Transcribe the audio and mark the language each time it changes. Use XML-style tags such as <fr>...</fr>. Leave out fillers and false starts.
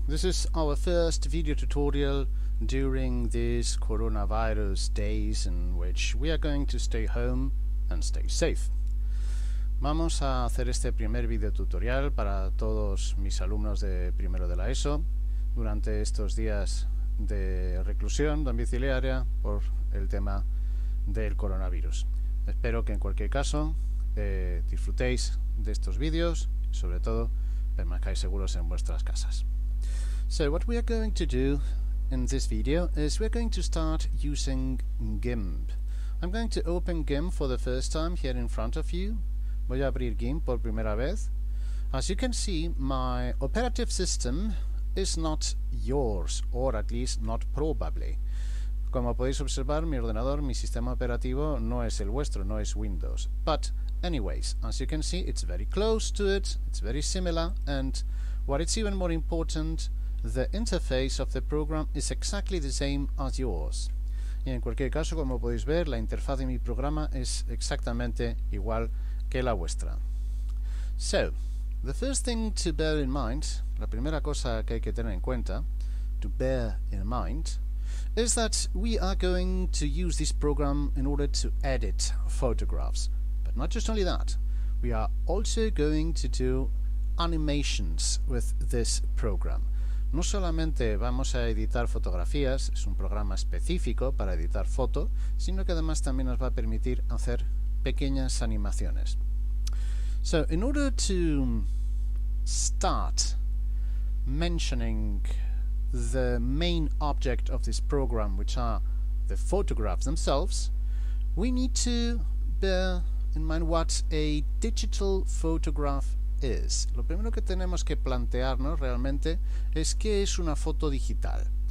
<en>This is our first video tutorial during these coronavirus days in which we are going to stay home and stay safe.</en> <es>Vamos a hacer este primer video tutorial para todos mis alumnos de primero de la ESO durante estos días de reclusión domiciliaria por el tema del coronavirus. Espero que en cualquier caso disfrutéis de estos vídeos, sobre todo permanezcáis seguros en vuestras casas.</es> <en>So what we are going to do in this video is we're going to start using GIMP. I'm going to open GIMP for the first time here in front of you.</en> <es>Voy a abrir GIMP por primera vez.</es> <en>As you can see, my operative system is not yours, or at least not probably.</en> <es>Como podéis observar, mi ordenador, mi sistema operativo, no es el vuestro, no es Windows.</es> <en>But anyways, as you can see, it's very close to it, it's very similar, and what it's even more important, the interface of the program is exactly the same as yours.</en> <es>Y en cualquier caso, como podéis ver, la interfaz de mi programa es exactamente igual que la vuestra.</es> <en>So, the first thing to bear in mind,</en> <es>la primera cosa que hay que tener en cuenta,</es> <en>to bear in mind, is that we are going to use this program in order to edit photographs. But not just only that, we are also going to do animations with this program.</en> <es>No solamente vamos a editar fotografías, es un programa específico para editar foto, sino que además también nos va a permitir hacer pequeñas animaciones.</es> <en>So, in order to start mentioning the main object of this program, which are the photographs themselves, we need to bear in mind what a digital photograph is.</en> <es>Lo primero que tenemos que plantearnos realmente es qué es una foto digital.</es>